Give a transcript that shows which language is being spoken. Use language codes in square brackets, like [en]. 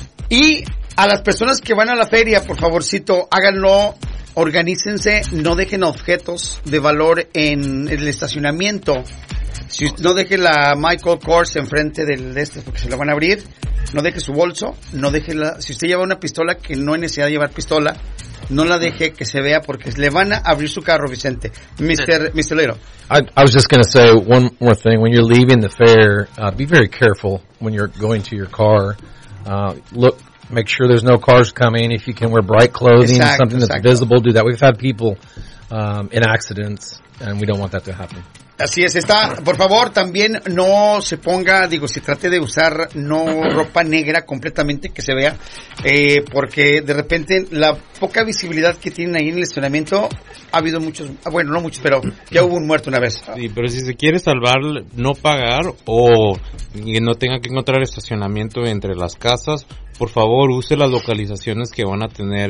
[es] Y a las personas que van a la feria, por favorcito, háganlo, organícense, no dejen objetos de valor en el estacionamiento. Si no dejen la Michael Kors enfrente del este porque se la van a abrir, no deje su bolso, no deje la, si usted lleva una pistola que no hay necesidad de llevar pistola, no la deje que se vea porque le van a abrir su carro, Vicente. [en] Mr. Lero. I was just going to say one more thing. When you're leaving the fair, be very careful when you're going to your car. Look, make sure there's no cars coming. If you can wear bright clothing, something that's visible, do that. We've had people in accidents, and we don't want that to happen. [es] Así es, está. Por favor, también no se ponga, si trate de usar no ropa negra completamente que se vea, porque de repente la poca visibilidad que tienen ahí en el estacionamiento, ha habido muchos, bueno, no muchos, pero ya hubo un muerto una vez. Sí, pero si se quiere salvar, no pagar o que no tenga que encontrar estacionamiento entre las casas, por favor, use las localizaciones que van a tener.